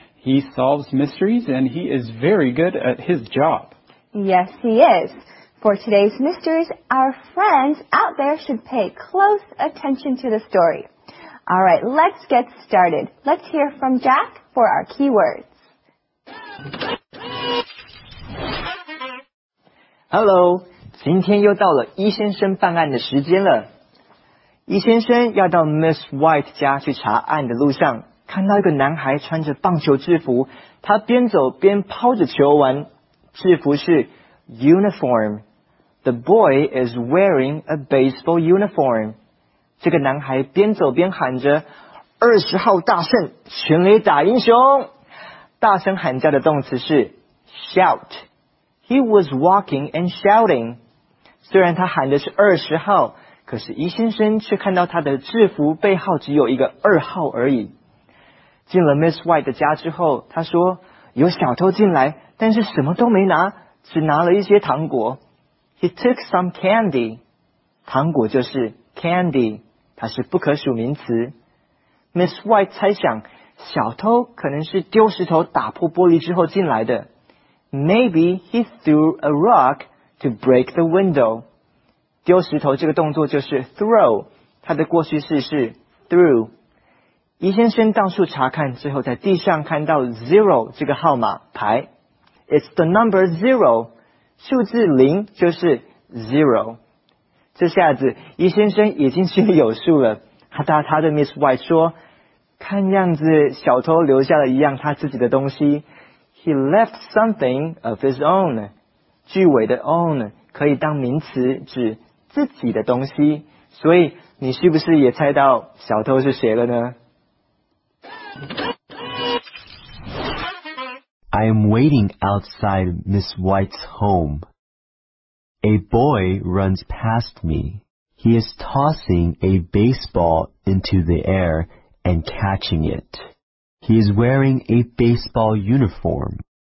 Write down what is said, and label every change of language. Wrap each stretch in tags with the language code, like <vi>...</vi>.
<en>He solves mysteries and he is very good at his job. Yes, he is. For today's mysteries, our friends out there should pay close attention to the story. All right, let's get started. Let's hear from Jack for our keywords.</en> <zh>Hello, 今天又到了伊先生办案的时间了。伊先生要到 Miss White 家去查案的路上，看到一个男孩穿着棒球制服，他边走边抛着球玩。制服是 uniform。</zh> <en>The boy is wearing a baseball uniform.</en> <zh>这个男孩边走边喊着20号大圣全垒打英雄。大声喊叫的动词是 shout.</zh> <en>He was walking and shouting.</en> <zh>虽然他喊的是20号，可是伊先生却看到他的制服背后只有一个2号而已。进了 Miss White 的家之后，他说有小偷进来，但是什么都没拿，只拿了一些糖果。</zh> <en>He took some candy.</en> <zh>糖果就是 candy, 它是不可数名词。 Miss White 猜想小偷可能是丢石头打破玻璃之后进来的。</zh> <en>Maybe he threw a rock to break the window.</en> <zh>丢石头这个动作就是 throw, 它的过去式是 threw. 伊先生到处查看，最后在地上看到 zero 这个号码牌。</zh> <en>It's the number zero.</en> <zh>数字零就是</zh> <en>zero。</en> <zh>这下子伊先生已经心里有数了，他对他的 Miss White 说，看样子小偷留下了一样他自己的东西。</zh> <en>He left something of his own。</en> <zh>句尾的 own 可以当名词，指自己的东西，所以你是不是也猜到小偷是谁了呢？</zh> <en>I am waiting outside Miss White's home. A boy runs past me. He is tossing a baseball into the air and catching it. He is wearing a baseball uniform.</en>